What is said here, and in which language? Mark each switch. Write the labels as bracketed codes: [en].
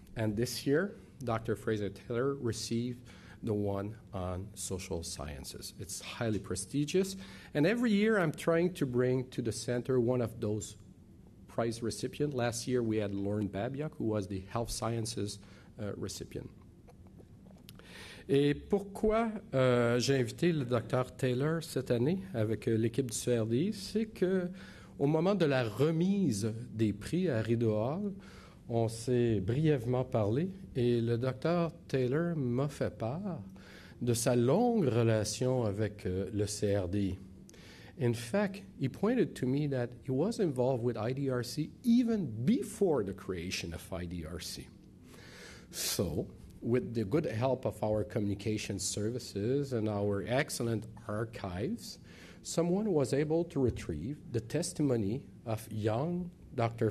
[en] And this year, Dr. Fraser Taylor received the one on social sciences. It's highly prestigious. And every year I'm trying to bring to the center one of those prize recipients. Last year we had Lauren Babiak, who was the health sciences recipient. [fr] Et pourquoi j'ai invité le Dr. Taylor cette année avec l'équipe du CRDI, c'est que au moment de la remise des prix à Rideau Hall, on s'est brièvement parlé et le Dr. Taylor m'a fait part de sa longue relation avec le CRDI. [en] In fact, he pointed to me that he was involved with IDRC even before the creation of IDRC. So, with the good help of our communication services and our excellent archives, someone was able to retrieve the testimony of young Dr.